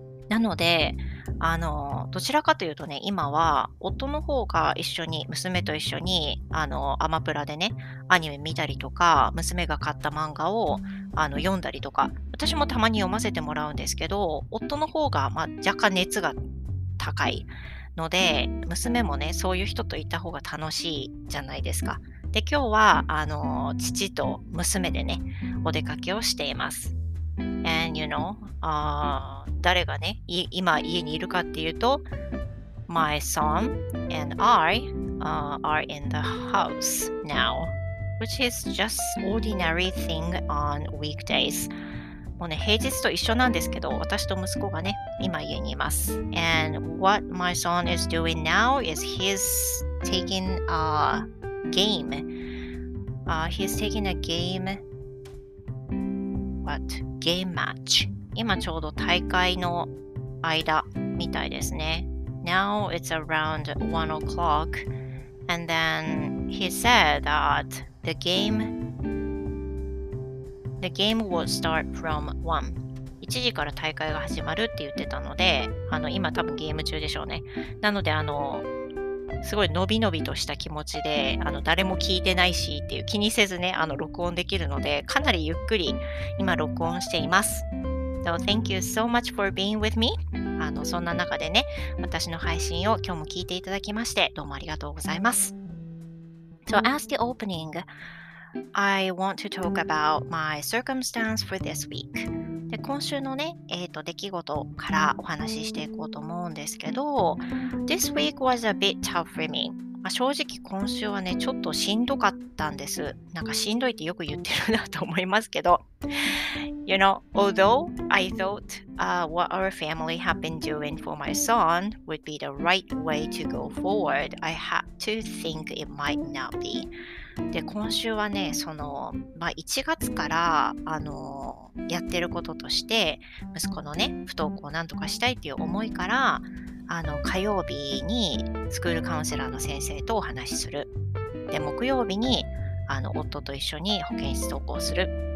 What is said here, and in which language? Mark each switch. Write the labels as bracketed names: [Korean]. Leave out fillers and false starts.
[Japanese] なので、どちらかというとね、今は夫の方が一緒に、娘と一緒に、アマプラでね、アニメ見たりとか、娘が買った漫画を読んだりとか、私もたまに読ませてもらうんですけど、夫の方が、若干熱が高い。ので娘もねそういう人と行った方が楽しいじゃないですか。で今日は父と娘でねお出かけをしています。 [English] And you know [Japanese] 誰がね今家にいるかっていうと、 [English] My son and I are in the house now, which is just ordinary thing on weekdays. [Japanese] もうね平日と一緒なんですけど、私と息子がね今家にいます。 [English] And what my son is doing now is he's taking a game. He's taking a game. What? Game match. [Japanese] 今ちょうど大会の間みたいですね。 [English] Now it's around 1 o'clock. And then he said that the game will start from 1. [Japanese] 1時から大会が始まるって言ってたので、今多分ゲーム中でしょうね。なので、すごい伸び伸びとした気持ちで、誰も聞いてないしっていう気にせずね、録音できるので、かなりゆっくり今録音しています。 [English] So, thank you so much for being with me. [Japanese] そんな中でね、私の配信を今日も聞いていただきまして、どうもありがとうございます。 [English] So, as the opening, I want to talk about my circumstance for this week. [Japanese] で今週のね、出来事からお話ししていこうと思うんですけど、 [English] This week was a bit tough for me. [Japanese] 正直今週はね、ちょっとしんどかったんです。なんかしんどいってよく言ってるなと思いますけど、 [English] You know, although I thought what our family have been doing for my son would be the right way to go forward, I had to think it might not be. [Japanese] で、今週はね、その、まあ、1月から、やってることとして、息子のね、不登校をなんとかしたいっていう思いから、火曜日にスクールカウンセラーの先生とお話しする。で、木曜日に、夫と一緒に保健室登校する。